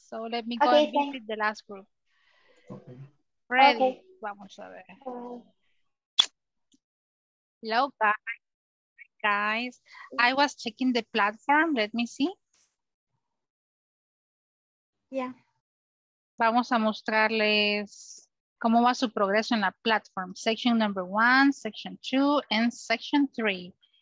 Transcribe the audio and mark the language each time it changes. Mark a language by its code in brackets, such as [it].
[en] So, let me go and visit the last group. Okay. Ready. Okay. [es] Vamos a ver. [en] Hello guys, I was checking the platform, let me see. Yeah. [es] Vamos a mostrarles cómo va su progreso en la platform. [en] Section number one, section two, and section three.